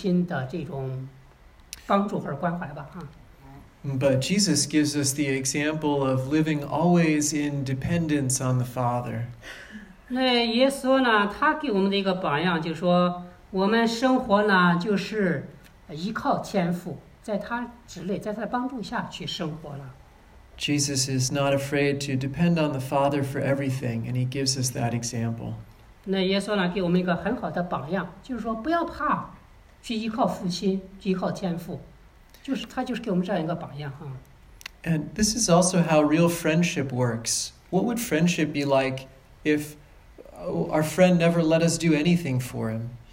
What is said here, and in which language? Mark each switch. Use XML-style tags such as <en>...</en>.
<zh>那两个呢，有一个同样的问题，就是说，我们就是大儿子也好，小儿子也好，我们不需要父亲的这种帮助和关怀吧，啊。</zh> <en>But Jesus gives us the example of living always in dependence on the Father.</en> <zh>那耶稣呢，他给我们的一个榜样，就是说，我们生活呢，就是依靠天父，在他之内，在他的帮助下去生活了。Jesus</zh> <en>is not afraid to depend on the Father for everything, and he gives us that example.</en> <zh>那耶稣呢，给我们一个很好的榜样，就是说，不要怕去依靠父亲，去依靠天父。</zh> <en>And this is also how real friendship works. What would friendship be like if our friend never let us do anything for him?</en>